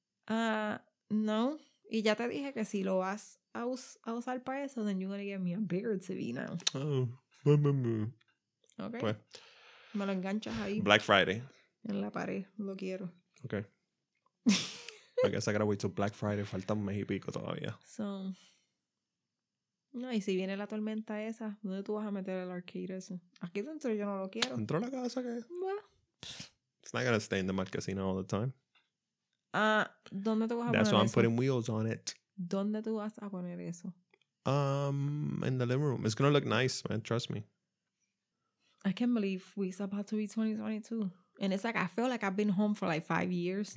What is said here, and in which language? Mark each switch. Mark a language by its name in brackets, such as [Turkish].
[Spanish] No. Y ya te dije que si lo vas a usar para eso, [English] then you're going to get me a bigger TV now. Oh. [Spanish] Okay. Pues. Me lo enganchas ahí. [English] Black Friday. [Spanish] En la pared. Lo quiero. [English] Okay. I guess I gotta wait till Black Friday. [Spanish] Falta un mes y pico todavía. [English] So. [Spanish] No, y si viene la tormenta esa, ¿dónde tú vas a meter el arcade ese? Aquí dentro yo no lo quiero. ¿Dentro de la casa qué? Bueno. [English] It's not gonna stay in the marquesina all the time. [Spanish] ¿Dónde te vas a poner eso? [English] That's why I'm putting wheels on it. [Spanish] ¿Dónde tú vas a poner eso? [English] In the living room. It's gonna look nice, man. Trust me. I can't believe we're about to be 2022. And it's like, I feel like I've been home for like 5 years.